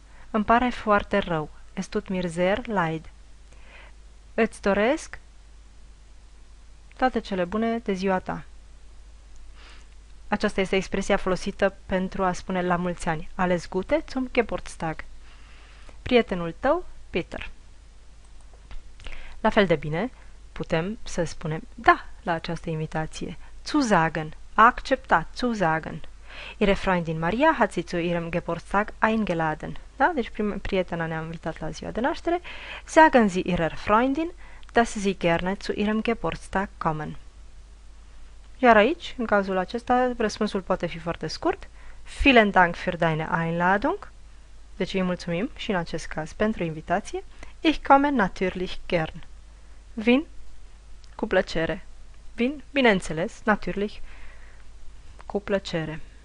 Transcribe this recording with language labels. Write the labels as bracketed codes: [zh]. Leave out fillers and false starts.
[ro] Îmi pare foarte rău. [de] Es tut mir sehr leid. [ro] Îți doresc toate cele bune de ziua ta. Aceasta este expresia folosită pentru a spune la mulți ani. [de] Alles Gute zum Geburtstag. [ro] Prietenul tău, Peter. La fel de bine putem să spunem da la această invitație. [de] Zusagen. [ro] A accepta. [de] Zusagen. Ihre Freundin Maria hat sie zu ihrem Geburtstag eingeladen. [ro] Da? Deci prietena ne-a invitat la ziua de naștere. [de] Sagen Sie Ihrer Freundin, dass Sie gerne zu Ihrem Geburtstag kommen. [ro] Iar aici, în cazul acesta, răspunsul poate fi foarte scurt. [de] Vielen Dank für deine Einladung. [ro] Deci îi mulțumim și în acest caz pentru invitație. [de] Ich komme natürlich gern. [ro] Vin cu plăcere. Vin, bineînțeles, natürlich, cu plăcere.